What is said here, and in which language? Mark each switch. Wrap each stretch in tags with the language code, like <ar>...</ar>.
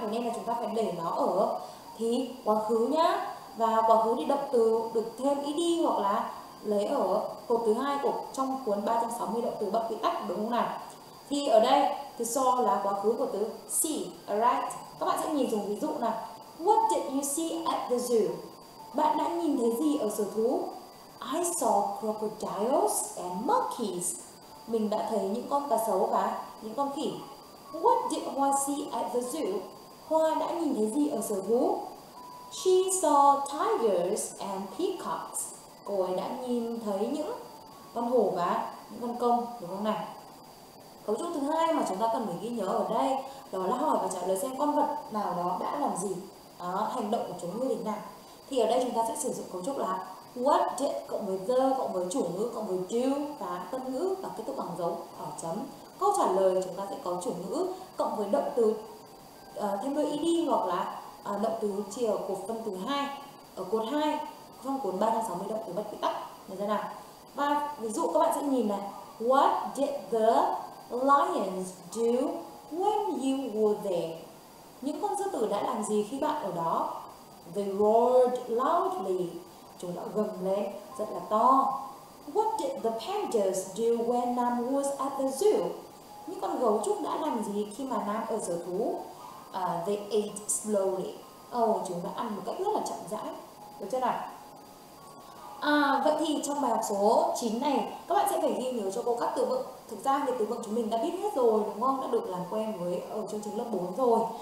<vi>Thế nên là chúng ta phải để nó ở thì quá khứ nhá. Và quá khứ thì động từ được thêm ed hoặc là lấy ở cột thứ hai của trong cuốn 360 động từ bất quy tắc đúng không nào? Thì ở đây thì saw là quá khứ của từ see,</vi> <en>alright.</en> <vi>Các bạn sẽ nhìn dùng ví dụ nào.</vi> <en>What did you see at the zoo?</en> <vi>Bạn đã nhìn thấy gì ở sở thú?</vi> <en>I saw crocodiles and monkeys.</en> <vi>Mình đã thấy những con cá sấu và những con khỉ.</vi> <en>What did Hoa see at the zoo?</en> <vi>Hoa đã nhìn thấy gì ở sở thú?</vi> <en>She saw tigers and peacocks.</en> <vi>Cô ấy đã nhìn thấy những con hổ và những con công, đúng không nào? Cấu trúc thứ hai mà chúng ta cần phải ghi nhớ ở đây đó là hỏi và trả lời xem con vật nào đó đã làm gì, hành động của chúng như thế nào. Thì ở đây chúng ta sẽ sử dụng cấu trúc là what did cộng với the cộng với chủ ngữ cộng với do và tân ngữ và kết thúc bằng dấu ở chấm. Câu trả lời chúng ta sẽ có chủ ngữ cộng với động từ thêm đôi ed hoặc là động từ chia ở cột phân từ 2 ở cột 2 trong cuốn 360 động từ bất quy tắc như thế nào. Và ví dụ các bạn sẽ nhìn này,</vi> <en>what did the lions do when you were there?</en> <vi>Những con sư tử đã làm gì khi bạn ở đó?</vi> <en>They roared loudly.</en> <vi>Chúng đã gầm lên rất là to.</vi> <en>What did the pandas do when Nam was at the zoo?</en> <vi>Những con gấu trúc đã làm gì khi mà Nam ở sở thú?</vi> <en>They ate slowly.</en> <vi>Chúng đã ăn một cách rất là chậm rãi. Được chưa nào? Vậy thì trong bài học số 9 này, các bạn sẽ phải ghi nhớ cho cô các từ vựng. Thực ra thì từ vựng chúng mình đã biết hết rồi, đúng không? Đã được làm quen với ở chương trình lớp 4 rồi.</vi>